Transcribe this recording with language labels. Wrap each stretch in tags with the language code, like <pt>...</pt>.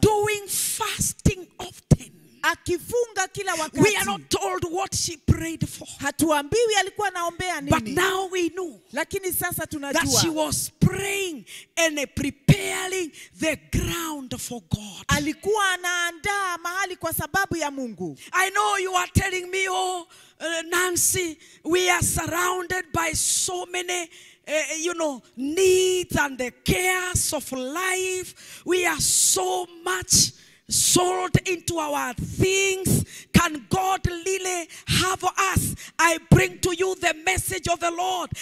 <en>Doing fasting often.</en> <sw>Akifunga kila wakati.</sw> <en>We are not told what she prayed for.</en> <sw>Hatuambiwi alikuwa anaombea nini.</sw> <en>But now we know.</en> <sw>Lakini sasa tunajua.</sw> <en>That she was praying and preparing the ground for God.</en> <sw>Alikuwa anaandaa mahali kwa sababu ya Mungu.</sw> <en>I know you are telling me, Nancy, we are surrounded by so many needs and the cares of life. We are so much sold into our things. Can God really have us? I bring to you the message of the Lord.</en>